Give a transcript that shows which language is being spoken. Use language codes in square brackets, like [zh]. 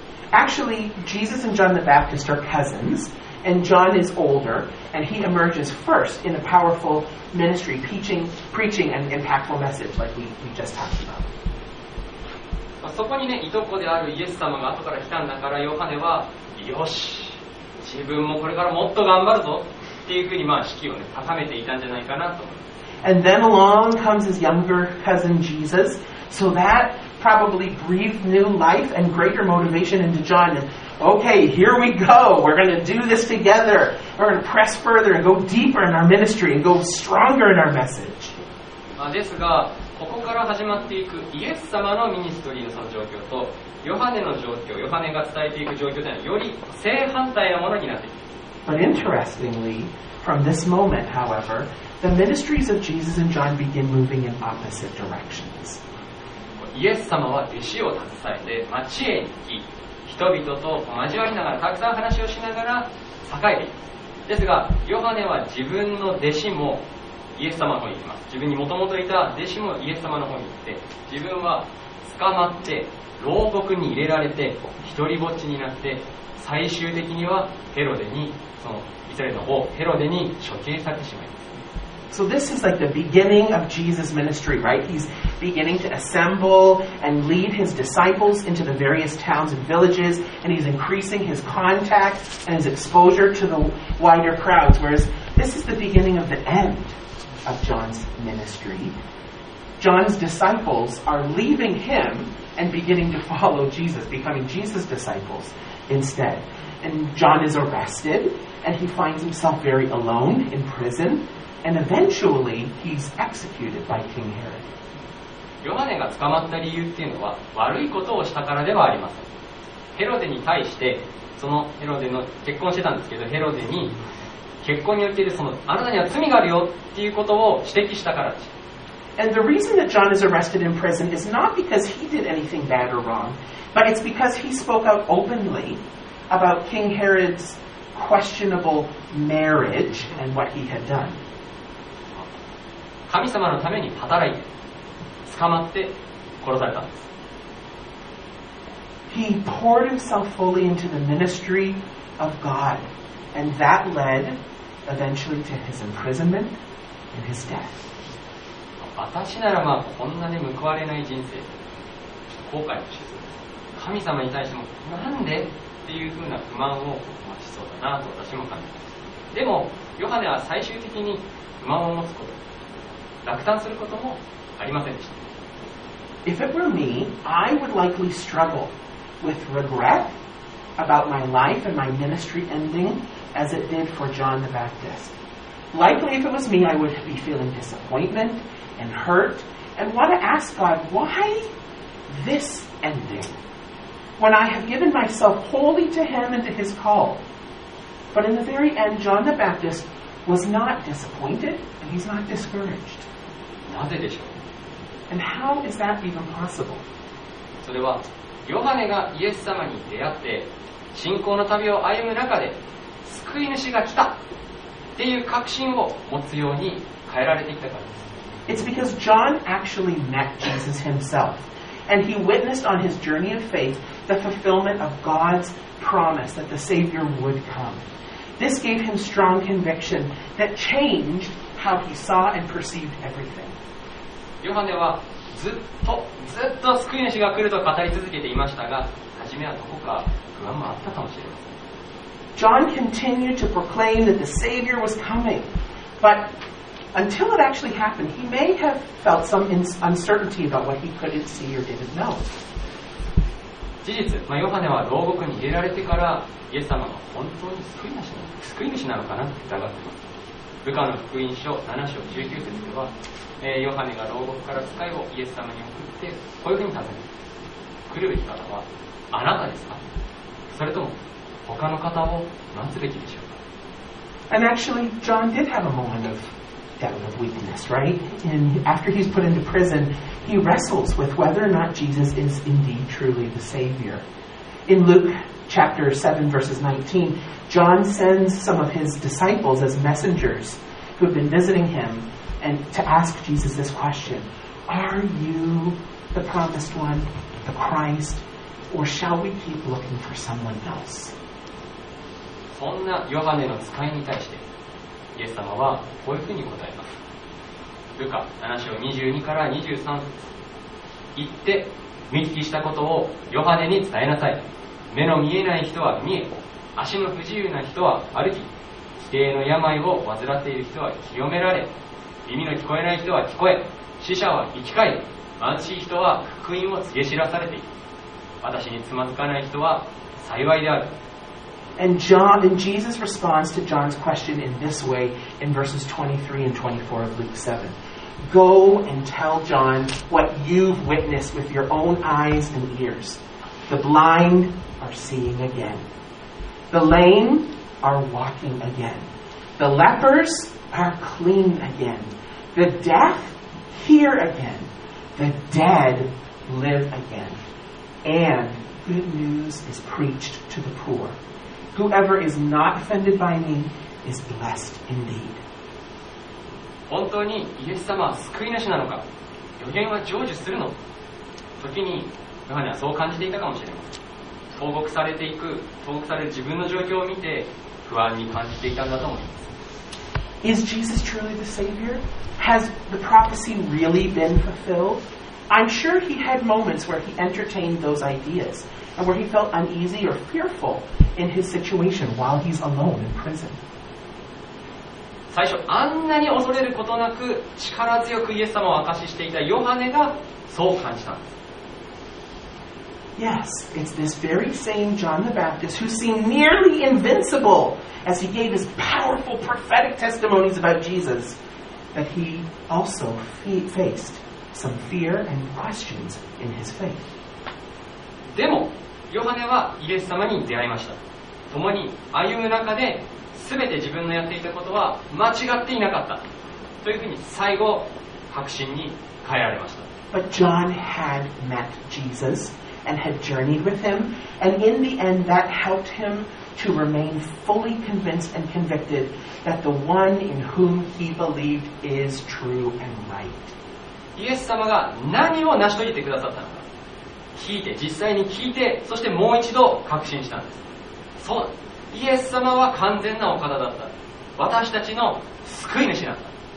[en] Actually, Jesus and John the Baptist are cousins, and John is older, and he emerges first in a powerful ministry, preaching an impactful message like we just talked about. [ja] そこにね、いとこであるイエス様が後から来たんだから、ヨハネは、よし、自分もこれからもっと頑張るぞっていうふうに、まあ、士気を、ね、高めていたんじゃないかなと。 [en] And then along comes his younger cousin Jesus. So that probably breathed new life and greater motivation into John. Okay, here we go. We're going to do this together. We're going to press further and go deeper in our ministry and go stronger in our message. [ja] ですが、ここから始まっていくイエス様のミニストリーの状況とヨハネの状況、ヨハネが伝えていく状況というのはより正反対のものになっていく。 [en] But interestingly, from this moment, however,The ministries of Jesus and John begin moving in opposite directions. [ja] イエス様は弟子を携えて町へ行き、人々と交わりながら、たくさん話をしながら栄えていく。ですが、ヨハネは自分の弟子もイエス様の方に行きます。自分にもともといた弟子もイエス様の方に行って、自分は捕まって牢獄に入れられて、一人ぼっちになって、最終的にはヘロデに、そのイスラエルの王ヘロデに処刑されてしまいます。 [en] So this is like the beginning of Jesus' ministry, right? He's beginning to assemble and lead his disciples into the various towns and villages, and he's increasing his contact and his exposure to the wider crowds, whereas this is the beginning of the end of John's ministry. John's disciples are leaving him and beginning to follow Jesus, becoming Jesus' disciples instead. And John is arrested, and he finds himself very alone in prison, and eventually he's executed by King Herod. [ja] ヨハネが捕まった理由っていうのは悪いことをしたからではありません。ヘロデに対して、そのヘロデの結婚してたんですけど、ヘロデに結婚によってそのあなたには罪があるよっていうことを指摘したからです。 [en] And the reason that John is arrested in prison is not because he did anything bad or wrong, but it's because he spoke out openly about King Herod's questionable marriage and what he had done. [ja] 神様のために働いて、捕まって殺されたんです。 [en] He poured himself fully into the ministry of God, and that led eventually to his imprisonment and his death. [ja] 私ならまあこんなに報われない人生、後悔もしそうです。神様に対してもなんでっていうふうな不満を持ちそうだなと私も感じます。でもヨハネは最終的に不満を持つこと、落胆することもありませんでした。 [en] If it were me, I would likely struggle with regret about my life and my ministry ending as it did for John the Baptist. Likely if it was me, I would be feeling disappointment. And hurt, and want to ask God, why this ending? When I have given myself wholly to Him and to His call. But in the very end, John the Baptist was not disappointed, and he's not discouraged. [ja] なぜでしょう? [en] And how is that even possible? [ja] それは、ヨハネがイエス様に出会って、信仰の旅を歩む中で、救い主が来たっていう確信を持つように変えられてきたからです。 [en] It's because John actually met Jesus himself, and he witnessed on his journey of faith the fulfillment of God's promise that the Savior would come. This gave him strong conviction that changed how he saw and perceived everything. [ja] ヨハネはずっと救い主が来ると語り続けていましたが、初めはどこか不安もあったかもしれません。 [en] John continued to proclaim that the Savior was coming, butUntil it actually happened, he may have felt some uncertainty about what he couldn't see or didn't know. [ja] 事実、まあ、ヨハネは牢獄に入れられてから、イエス様が本当に救い主なのかなと疑っています。ルカの福音書7章19節では、ヨハネが牢獄から使いをイエス様に送って、こういうふうに尋ねます。来るべき方は、あなたですか?それとも、他の方を待つべきでしょうか? [en] And actually, John did have a moment of... doubt of weakness, right? And after he's put into prison, he wrestles with whether or not Jesus is indeed truly the Savior. In Luke chapter 7, verses 19, John sends some of his disciples as messengers who have been visiting him and to ask Jesus this question, Are you the promised one, the Christ, or shall we keep looking for someone else? [ja] そんなヨハネの使いに対してイエス様はこういうふうに答えます。ルカ7章22から23節。言って、見聞きしたことをヨハネに伝えなさい。目の見えない人は見え、足の不自由な人は歩き、奇形の病を患っている人は清められ、耳の聞こえない人は聞こえ、死者は生き返り、貧しい人は福音を告げ知らされている。私につまずかない人は幸いである。 [en] And John and Jesus responds to John's question in this way in verses 23 and 24 of Luke 7. Go and tell John what you've witnessed with your own eyes and ears. The blind are seeing again. The lame are walking again. The lepers are clean again. The deaf hear again. The dead live again. And good news is preached to the poor. Whoever is not offended by me is blessed indeed. [ja] 本当にイエス様は救い主なのか、予言は成就するの。時にヨハネはそう感じていたかもしれません。投獄される自分の状況を見て不安に感じていたんだと思います。 [en] Is Jesus truly the Savior? Has the prophecy really been fulfilled? I'm sure he had moments where he entertained those ideas and where he felt uneasy or fearful in his situation while he's alone in prison. [ja] 最初、あんなに恐れることなく力強くイエス様を明かししていたヨハネがそう感じたんです。 [en] Yes, it's this very same John the Baptist who seemed nearly invincible as he gave his powerful prophetic testimonies about Jesus, that he also faced some fear and questions in his faith. [ja] でも、ヨハネはイエス様に出会いました。共に歩む中で全て自分のやっていたことは間違っていなかったというふうに最後、確信に変えられました。 [en] But John had met Jesus. And had journeyed with him, and in the end, that helped him to remain fully convinced and convicted that the one in whom he believed is true and right. [ja] イエス様が何を成し遂げてくださったのか、聞いて、実際に聞いて、そしてもう一度確信したんです。そう、イエス様は完全なお方だった。私たちの救い主だった。